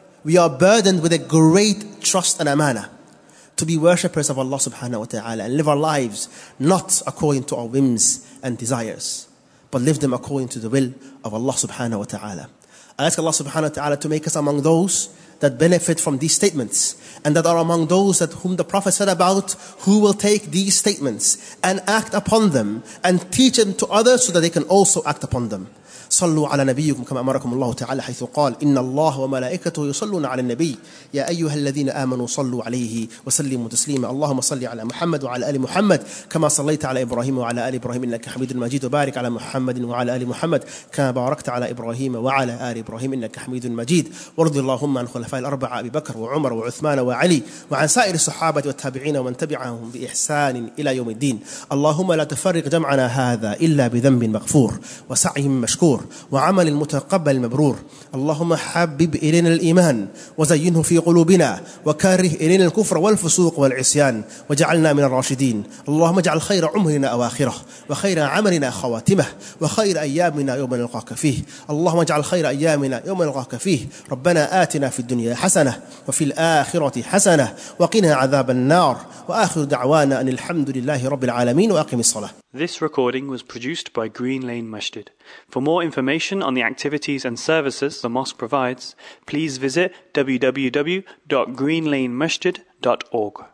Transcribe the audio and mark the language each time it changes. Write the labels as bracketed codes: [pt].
[en] We are burdened with a great trust and amana to be worshippers of Allah subhanahu wa ta'ala and live our lives not according to our whims and desires, but live them according to the will of Allah subhanahu wa ta'ala. I ask Allah subhanahu wa ta'ala to make us among those that benefit from these statements, and that are among those that whom the Prophet said about, who will take these statements and act upon them and teach them to others so that they can also act upon them. [ar] صلوا على نبيكم كما أمركم الله تعالى حيث قال إن الله وملائكته يصلون على النبي يا أيها الذين آمنوا صلوا عليه وسلموا تسليما اللهم صل على محمد وعلى آل محمد كما صليت على إبراهيم وعلى آل إبراهيم إنك حميد مجيد وبارك على محمد وعلى آل محمد كما باركت على إبراهيم وعلى آل إبراهيم إنك حميد مجيد وارض اللهم عن الخلفاء الأربعة أبي بكر وعمر وعثمان وعلي وعن سائر الصحابة والتابعين ومن تبعهم بإحسان إلى يوم الدين اللهم لا تفرق جمعنا هذا إلا بذنب مغفور وسعي مشكور وعمل المتقبل المبرور اللهم حبب إلينا الإيمان وزينه في قلوبنا وكره إلينا الكفر والفسوق والعصيان وجعلنا من الراشدين اللهم اجعل خير عمرنا أواخره وخير عملنا خواتمه وخير أيامنا يوم نلقاك فيه اللهم اجعل خير أيامنا يوم نلقاك فيه ربنا آتنا في الدنيا حسنة وفي الآخرة حسنة وقنا عذاب النار وآخر دعوانا أن الحمد لله رب العالمين وأقم الصلاة. [en] This recording was produced by Green Lane Masjid. For more information on the activities and services the mosque provides, please visit www.greenlanemasjid.org.